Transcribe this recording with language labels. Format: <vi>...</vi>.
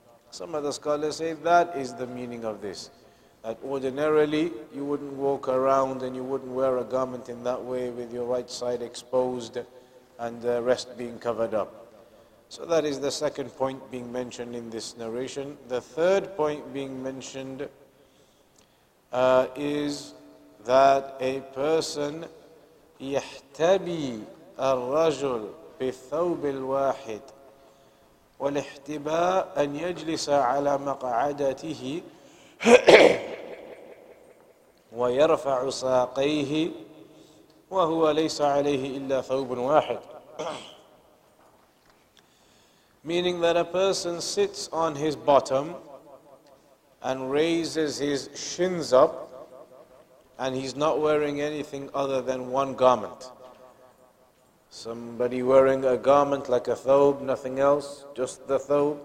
<en>Some of the scholars say that is the meaning of this, that ordinarily you wouldn't walk around and you wouldn't wear a garment in that way with your right side exposed and the rest being covered up. So that is the second point being mentioned in this narration. The third point being mentioned is that a person</en> <ar>يحتبي الرجل بثوب الواحد والاحتباء أن يجلس على مقعدته ويرفع ساقيه وهو ليس عليه إلا ثوب واحد.</ar> <en>Meaning that a person sits on his bottom and raises his shins up and he's not wearing anything other than one garment. Somebody wearing a garment like a thobe, nothing else, just the thobe.</en>